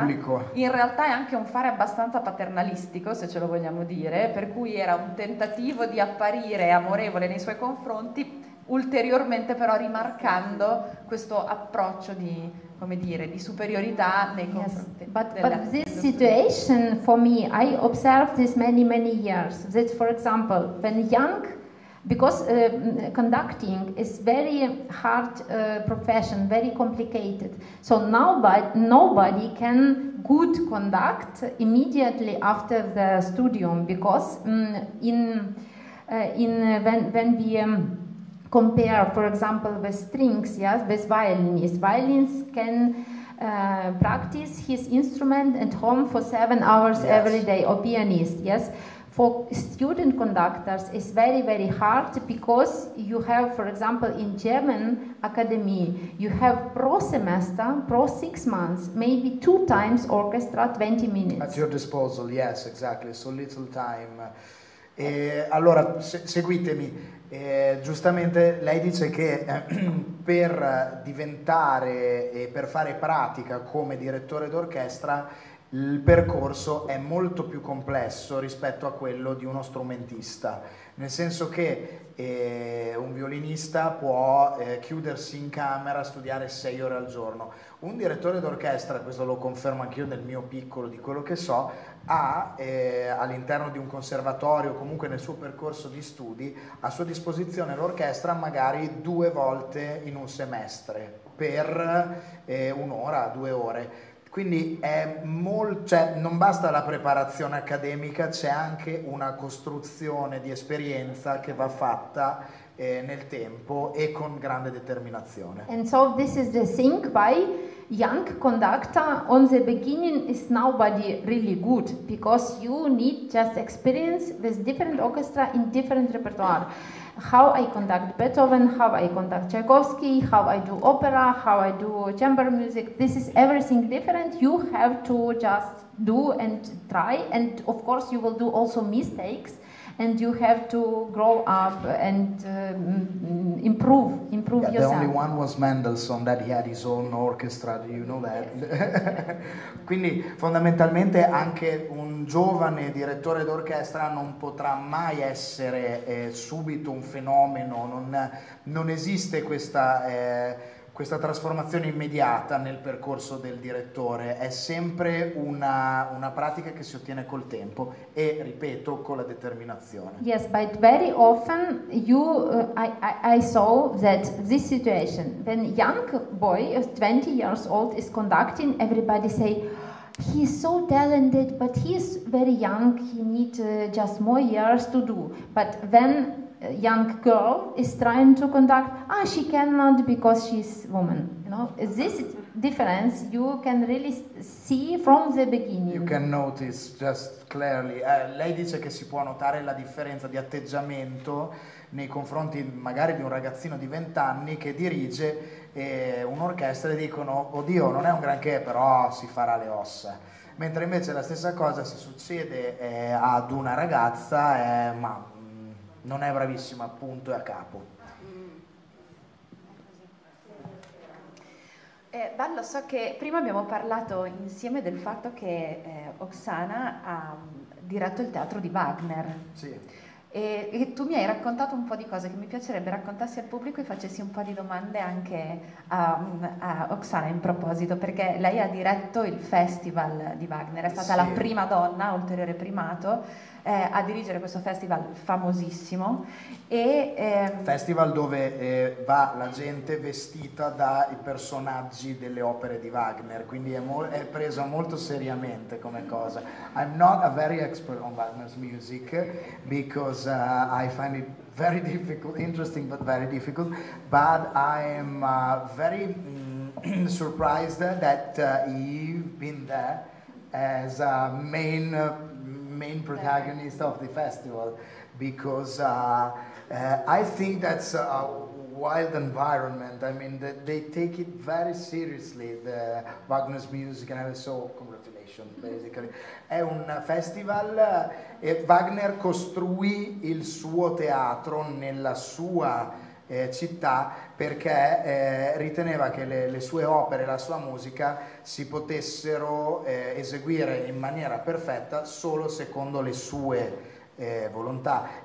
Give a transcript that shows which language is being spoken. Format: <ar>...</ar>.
<it>pubblico, in realtà è anche un fare abbastanza paternalistico, se ce lo vogliamo dire, per cui era un tentativo di apparire amorevole nei suoi confronti, ulteriormente però rimarcando questo approccio di, come dire, di superiorità nei confronti.</it> <en>Yes. But this situation for me, I observed this many many years, that for example when young, because conducting is very hard profession, very complicated. So now, but nobody can good conduct immediately after the studium, because when we compare, for example, with strings, yes, with violinists. Violins can practice his instrument at home for 7 hours, yes, every day, or pianist, yes. For student conductors it's very, very hard, because you have, for example, in German Academy, you have pro semester, pro 6 months, maybe 2 times orchestra, 20 minutes. At your disposal, yes, exactly, so little time.</en> <it>Allora, seguitemi, giustamente lei dice che per diventare e per fare pratica come direttore d'orchestra il percorso è molto più complesso rispetto a quello di uno strumentista, nel senso che un violinista può chiudersi in camera, studiare 6 ore al giorno. Un direttore d'orchestra, questo lo confermo anch'io nel mio piccolo, di quello che so, ha all'interno di un conservatorio, comunque nel suo percorso di studi, a sua disposizione l'orchestra magari 2 volte in un semestre per un'ora, 2 ore. Quindi cioè non basta la preparazione accademica, c'è anche una costruzione di esperienza che va fatta nel tempo e con grande determinazione.</it> <en>And so this is the thing why young conductor on the beginning is nobody really good, because you need just experience with different orchestra in different repertoire. How I conduct Beethoven, how I conduct Tchaikovsky, how I do opera, how I do chamber music, this is everything different. You have to just do and try, and of course you will do also mistakes, and you have to grow up and improve yeah, yourself. The only one was Mendelssohn, that he had his own orchestra, do you know that? Yes.</en> <it>Quindi fondamentalmente anche un giovane direttore d'orchestra non potrà mai essere subito un fenomeno, non esiste questa trasformazione immediata nel percorso del direttore, è sempre una pratica che si ottiene col tempo e, ripeto, con la determinazione.</it> <en>Yes, but very often I saw that this situation, when young boy is 20 years old is conducting, everybody say he's so talented, but he's very young, he need just more years to do. But when young girl is trying to conduct, she cannot because she's woman, you know, this difference you can really see from the beginning, you can notice just clearly.</en> <it>Lei dice che si può notare la differenza di atteggiamento nei confronti magari di un ragazzino di 20 anni che dirige un'orchestra, e dicono: oddio, non è un granché, però si farà le ossa. Mentre invece la stessa cosa se succede ad una ragazza ma non è bravissima, appunto, è a capo. Bello, so che prima abbiamo parlato insieme del fatto che Oksana ha diretto il teatro di Wagner. Sì. E tu mi hai raccontato un po' di cose che mi piacerebbe raccontassi al pubblico e facessi un po' di domande anche a Oksana in proposito, perché lei ha diretto il festival di Wagner, è stata sì. la prima donna, ulteriore primato, a dirigere questo festival famosissimo. E, festival dove va la gente vestita dai personaggi delle opere di Wagner, quindi è presa molto seriamente come cosa.</it> <en>I'm not a very expert on Wagner's music because I find it very difficult, interesting but very difficult, but I am very surprised that you've been there as a main protagonist of the festival, because I think that's a wild environment. I mean, they take it very seriously, the Wagner's music, and I saw basically.</en> <it>È un festival e Wagner costruì il suo teatro nella sua città perché riteneva che le sue opere, la sua musica si potessero eseguire in maniera perfetta solo secondo le sue volontà.</it>